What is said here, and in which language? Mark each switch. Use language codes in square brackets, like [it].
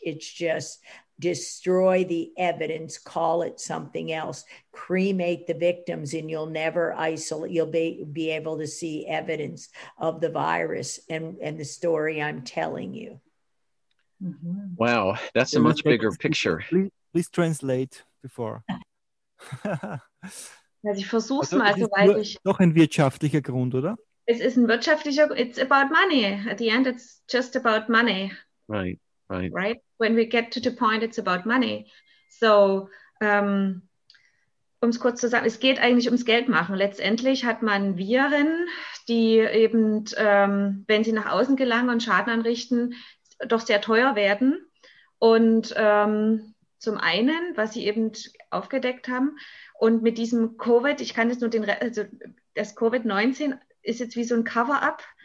[en] It's just destroy the evidence, call it something else, cremate the victims, and you'll never isolate, you'll be able to see evidence of the virus and the story I'm telling you. Mm-hmm. Wow, that's a much bigger picture. Please translate before. [de] Also ich versuche es mal, weil ich... Doch ein wirtschaftlicher Grund, oder? Es ist ein wirtschaftlicher... [en] It's about money. At the end, it's just about money. Right, right. Right? When we get to the point, it's about money. [de] So, um es kurz zu sagen, es geht eigentlich ums Geld machen. Letztendlich hat man Viren, die eben, wenn sie nach außen gelangen und Schaden anrichten, doch sehr teuer werden. Und zum einen, was sie eben aufgedeckt haben, und mit diesem Covid, ich kann jetzt nur das Covid-19 ist jetzt wie so ein Cover-up.